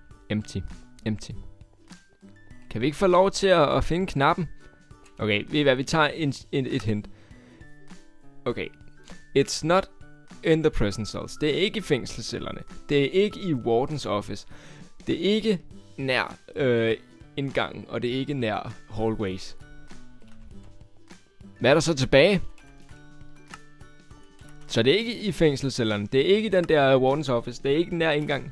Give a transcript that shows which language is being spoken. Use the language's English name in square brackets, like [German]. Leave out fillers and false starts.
[English] Empty. [Danish] Kan vi ikke få lov til at finde knappen? Okay, ved I hvad, vi tager et hint. Okay. [English] It's not in the prison cells. [Danish] Det er ikke i fængselscellerne. Det er ikke i wardens office. Det er ikke nær indgangen, og det er ikke nær hallways. Hvad er der så tilbage? Så det er ikke i fængselscellerne. Det er ikke i den der wardens office. Det er ikke nær indgang.